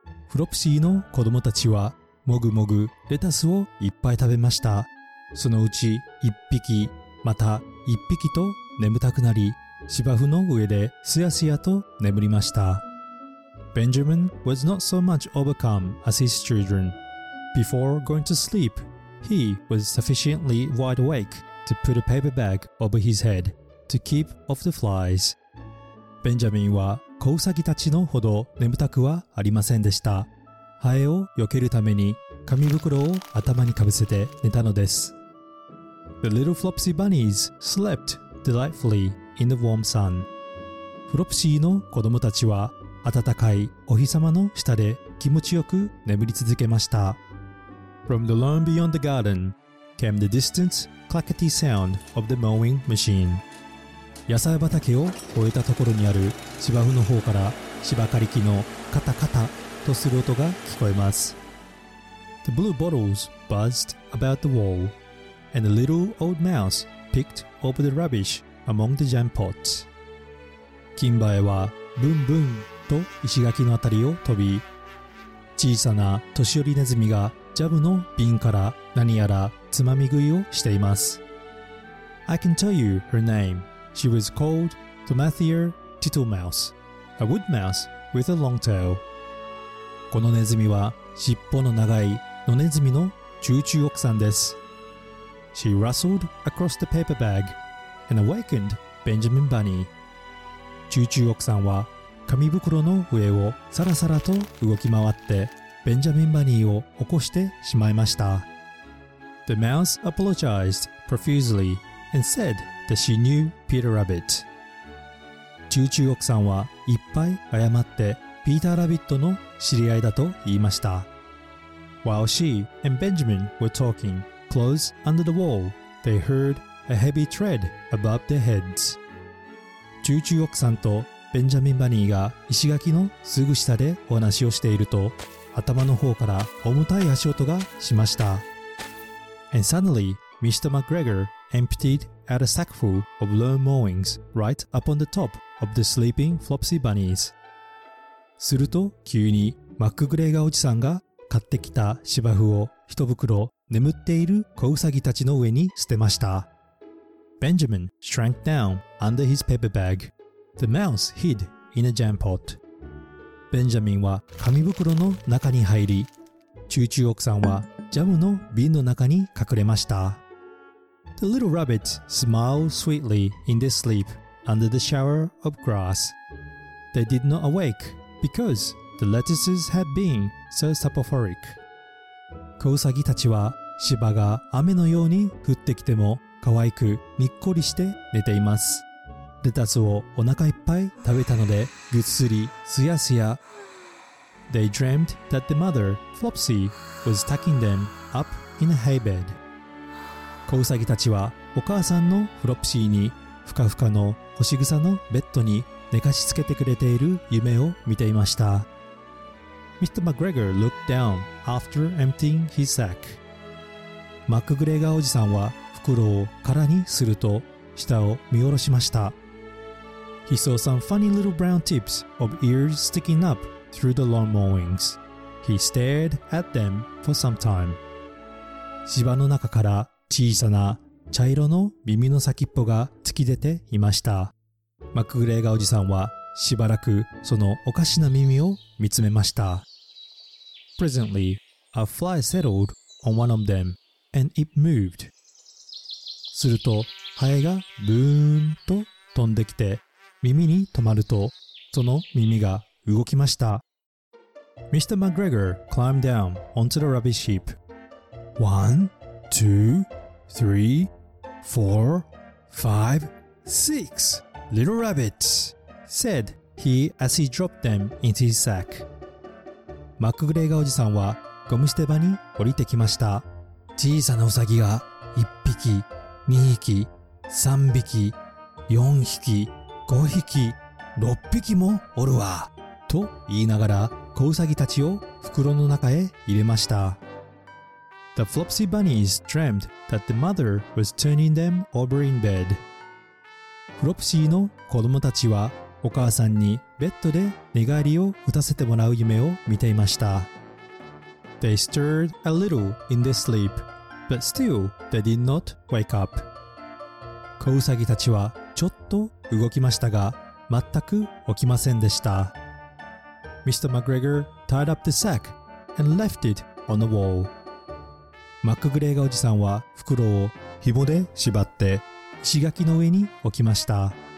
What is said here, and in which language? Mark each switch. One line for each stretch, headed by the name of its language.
Japanese: フロプシーの子供たちはもぐもぐレタスをいっぱい食べました。そのうち一匹また一匹と眠たくなり、芝生の上ですやすやと眠りました。
English: Benjamin was not so much overcome as his children. Before going to sleep, he was sufficiently wide awake to put a paper bag over his head to keep off the flies.
Japanese: ベンジャミンは子ウサギたちのほど眠たくはありませんでした。ハエを避けるために紙袋を頭にかぶせて寝たのです。
English: The little Flopsy Bunnies slept delightfully in the warm sun.
Japanese: フロプシーの子供たちは暖かいお日様の下で気持ちよく眠り続けました。
English: From the lawn beyond the garden came the distant clackety sound of the mowing machine.
Japanese: 野菜畑を越えたところにある芝生の方から芝刈り機のカタカタとする音が聞こえます。
English: The blue bottles buzzed about the wall and a little old mouse picked over the rubbish among the jam pots.
Japanese: 金バエはブンブンと石垣のあたりを飛び、小さな年寄りネズミがジャムの瓶から何やらつまみ食いをしています。
English: I can tell you her nameShe was called Tomathia Tittlemouse, a wood mouse with a long tail.
Japanese: このネズミは尻尾の長い野ネズミのチューチュー奥さんです。
English: She rustled across the paper bag and awakened Benjamin Bunny.
Japanese: チューチュー奥さんは紙袋の上をサラサラと動き回ってベンジャミンバニーを起こしてしまいました。
English: The mouse apologized profusely and said,That she knew Peter Rabbit.
Japanese: チューチュー奥さんはいっぱい謝ってピーターラビットの知り合いだと言いました。
English: While she and Benjamin were talking close under the wall, they heard a heavy tread above their heads.
Japanese: チューチュー奥さんとベンジャミンバニーが石垣のすぐ下でお話をしていると、頭の方から重たい足音がしました。
English: And suddenly Mr. McGregor emptiedAt a sackful of lawn mowings right upon the top of the sleeping Flopsy Bunnies.
Japanese: すると急にマックグレーガーおじさんが買ってきた芝生を一袋眠っている子ウサギたちの上に捨てました。
English: Benjamin shrank down under his paper bag. The mouse hid in a jam pot.
Japanese: ベンジャミンは紙袋の中に入り、チューチュー奥さんはジャムの瓶の中に隠れました。
English: The little rabbit smiled sweetly in their sleep under the shower of grass. They did not awake because the lettuces had been so soporific.
Japanese: 子ウサギたちは芝が雨のように降ってきても可愛くにっこりして寝ています。レタスをお腹いっぱい食べたのでぐっすりすやすや。
English: They dreamed that the mother, Flopsy, was tucking them up in a hay bed.
Japanese: 子ウサギたちはお母さんのフロプシーにふかふかの干し草のベッドに寝かしつけてくれている夢を見ていました。
English: Mr. McGregor looked down after emptying his sack.
Japanese: マックグレーガーおじさんは袋を空にすると下を見下ろしました。
English: He saw some funny little brown tips of ears sticking up through the lawn mowings. He stared at them for some time.
Japanese: 芝の中から小さな茶色の耳の先っぽが突き出ていました。マックグレーガーおじさんはしばらくそのおかしな耳を見つめました。
English: Presently, a fly settled on one of them, and it moved.
Japanese: するとハエがブーンと飛んできて耳に止まるとその耳が動きました。
English: Mr. McGregor climbed down onto the rubbish heap. 1, 2, 3, 4, 5, 6 little rabbits, said he as he dropped them into his sack.
Japanese: マックグレーガーおじさんはゴム捨て場に降りてきました。小さなウサギが1匹、2匹、3匹、4匹、5匹、6匹もおるわ。と言いながら小ウサギたちを袋の中へ入れました。
English: The Flopsy Bunnies dreamt that the mother was turning them over in bed.
Japanese: フロプシーの子供たちはお母さんにベッドで寝返りを打たせてもらう夢を見ていました。
English: They stirred a little in their sleep, but still they did not wake up.
Japanese: 子ウサギたちはちょっと動きましたが、全く起きませんでした。
English: Mr. McGregor tied up the sack and left it on the wall.
Japanese: マックグレーガーおじさんは袋を紐で縛って石垣の上に置きました。